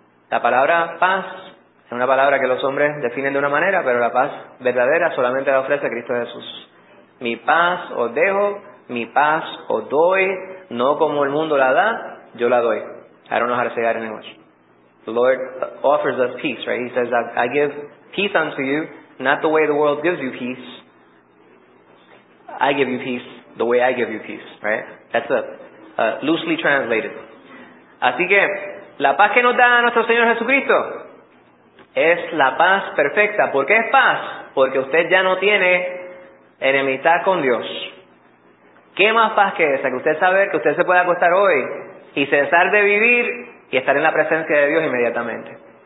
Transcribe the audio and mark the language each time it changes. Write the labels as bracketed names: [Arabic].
[Spanish] La palabra paz es una palabra que los hombres definen de una manera, pero la paz verdadera solamente la ofrece Cristo Jesús. Mi paz os dejo, mi paz os doy, no como el mundo la da, yo la doy. Ahora nos hará llegar en el ocho. [English] The Lord offers us peace, right? He says, I give peace unto you, not the way the world gives you peace. I give you peace the way I give you peace, right? That's loosely translated. [Spanish] Así que, la paz que nos da nuestro Señor Jesucristo es la paz perfecta. ¿Por qué es paz? Porque usted ya no tiene enemistad con Dios. ¿Qué más paz que esa? Que usted sabe que usted se puede acostar hoy y cesar de vivir y estar en la presencia de Dios inmediatamente.